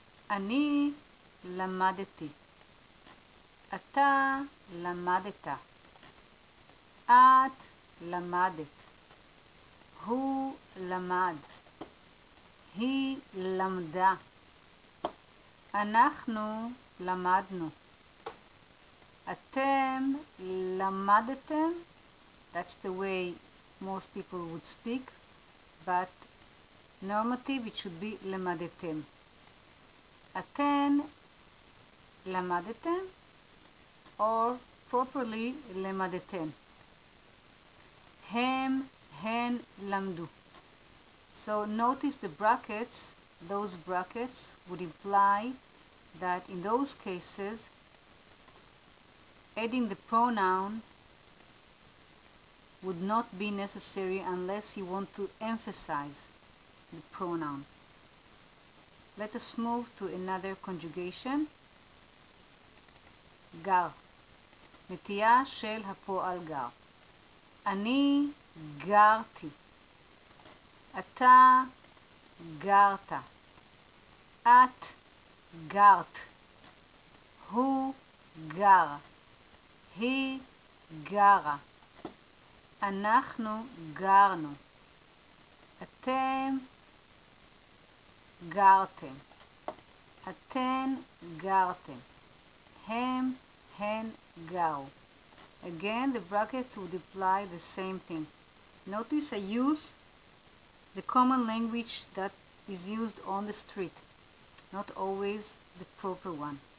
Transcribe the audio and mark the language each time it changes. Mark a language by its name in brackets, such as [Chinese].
[Hebrew] אני למדתי, אתה למדת, את למדת, הוא למד, היא למדה, אנחנו למדנו, אתם למדתם. [English] That's the way most people would speak, but normative it should be למדתם. [Hebrew] אתן למדתם, [English] or properly [Hebrew] למדתם. הם, הן למדו. [English] So notice the brackets, those brackets would imply that in those cases, adding the pronoun would not be necessary unless you want to emphasize the pronoun. Let us move to another conjugation. [Hebrew] גר. נטייה של הפועל גר. אני גרתי. אתה גרת. את גרת. הוא גר. היא גרה. אנחנו גרנו, אתם גרתם, אתן גרתם, הם, הן גרו. [English] Again, the brackets would apply the same thing. Notice I use the common language that is used on the street, not always the proper one.